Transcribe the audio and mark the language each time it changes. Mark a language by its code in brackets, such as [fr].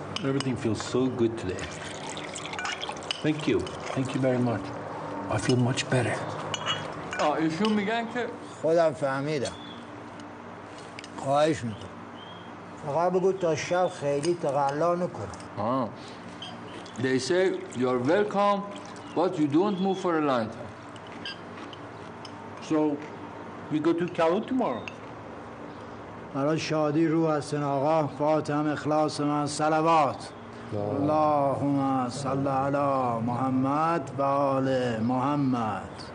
[en] Everything feels so good today. Thank you. Thank you very much. I feel much better. [fa] آه ایشون میگن که خودم فهمیدم. خواهش میکنم. فقط بگو تا شب خیلی تقلا نکنم. آه. [en] They say you're welcome, but you don't move for a long time. So, we go to Kalu tomorrow. [fa] برای شادی روح حسن آقا فاطم اخلاص من صلوات اللهم صل علی محمد و آل محمد.